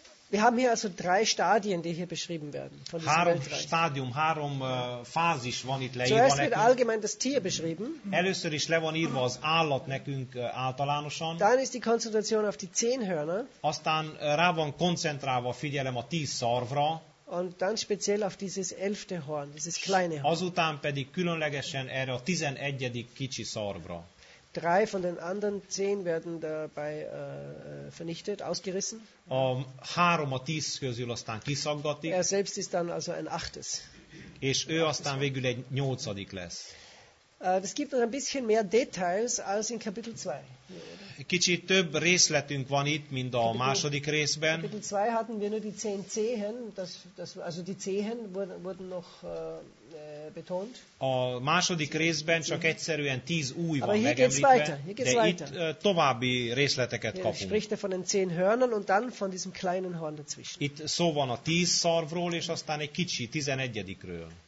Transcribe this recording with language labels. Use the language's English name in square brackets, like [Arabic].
[German] Wir haben hier also drei Stadien, die hier beschrieben werden. [Hungarian] Von három stádium, három fázis van itt leírva. [German] Zuerst wird allgemein das Tier beschrieben. [Hungarian] Először is le van írva az állat nekünk általánosan. [German] Dann ist die Konzentration auf die 10 Hörner. [Hungarian] Aztán rá van koncentrálva figyelem a 10 szarvra. [German] Und dann speziell auf dieses elfte Horn, dieses kleine Horn. [Hungarian] Azután pedig különlegesen erre a 11. kicsi szarvra. [German] Drei von den anderen 10 werden dabei vernichtet, ausgerissen. [Hungarian] A három a 10 közül aztán kiszaggatik. [German] Er selbst ist dann also ein achtes. [Hungarian] És ő aztán végül egy 8. lesz. [German] Es gibt noch ein bisschen mehr Details als in Kapitel 2. [Hungarian] Kicsit több részletünk van itt, mint a második részben. [German] In Kapitel 2 hatten wir nur die 10 Zehen, also die Zehen wurden noch betont. [Hungarian] A második részben csak egyszerűen 10 új van megemlítve, de itt további részleteket kapunk. [German] Spricht er von den 10 Hörnern und dann von diesem kleinen Horn dazwischen. [Hungarian] Itt szó van a 10 szarvról, és aztán egy kicsi 11-ről.